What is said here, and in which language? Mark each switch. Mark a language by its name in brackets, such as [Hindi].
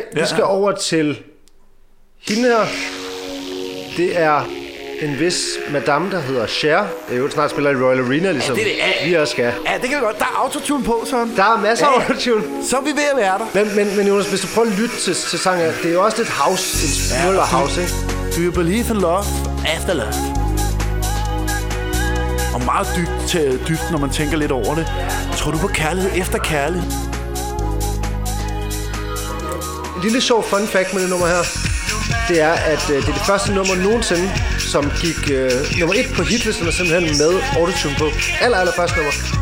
[Danish] Vi skal over til hende her. Det er... En vis madame, der hedder Cher. Det er jo snart spiller i Royal Arena, ligesom ja, det er det. Vi også skal. Ja, det kan vi godt. Der er autotune på, sådan. Der er masser af autotune. Så er vi ved at være der. Men Jonas, hvis du prøver at lytte til sangen, det er jo også lidt house, en smule af house, ikke? [English] Do you believe in love after love? [Danish] Og meget dybt til dybt, når man tænker lidt over det. Tror du på kærlighed efter kærlighed? En lille sjov fun fact med det nummer her. Det er, at det er det første nummer nogensinde, som gik nummer 1 på hitlisten og simpelthen med autotune på. Aller første nummer.